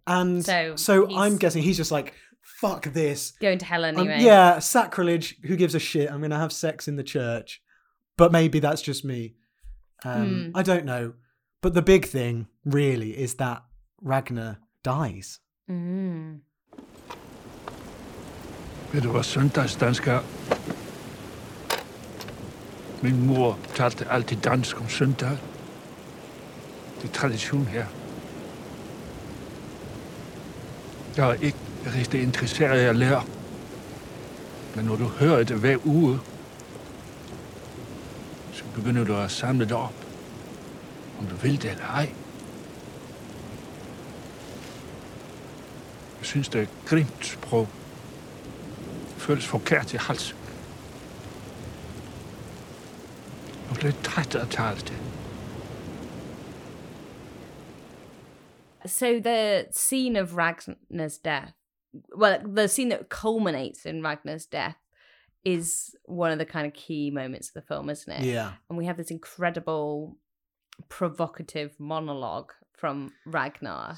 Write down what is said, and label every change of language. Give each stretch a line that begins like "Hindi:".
English: And so I'm guessing he's just like, fuck this. Going to hell anyway. Sacrilege. Who gives a shit? I'm going to have sex in the church. But maybe that's just me. I don't know. But the big thing, really, is that Ragnar dies.
Danish: Ved du hvad søndags dansk er? Min mor talte altid dansk om søndag. Det er tradition her. Jeg er ikke rigtig interesseret i at lære. Men når du hører det hver uge, så begynder du at samle det op, om du vil det eller ej. synes det grimt sprog. Føles forkert i halsen. Jeg blev træt af at tale det.
English: So the scene of Ragnar's death, well, the scene that culminates in Ragnar's death is one of the kind of key moments of the film, isn't it? Yeah. And we have this incredible, provocative monologue from Ragnar.